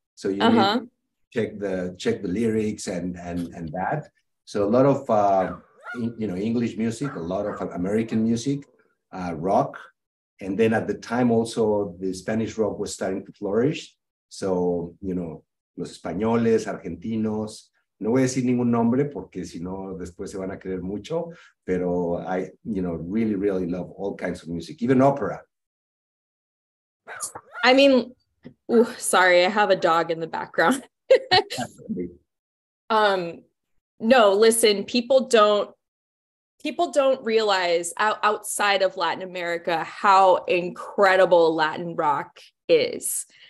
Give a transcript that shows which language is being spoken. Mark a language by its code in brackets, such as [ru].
[en] So you need to check the lyrics and that. So a lot of, English music, a lot of American music, rock. And then at the time also, the Spanish rock was starting to flourish. So, you know, [es] los españoles, argentinos. No voy a decir ningún nombre porque si no, después se van a creer mucho. Pero [en] I, you know, really, really love all kinds of music, even opera. I mean, ooh, sorry, I have a dog in the background. No, listen, people don't people don't realize outside of Latin America how incredible Latin rock is.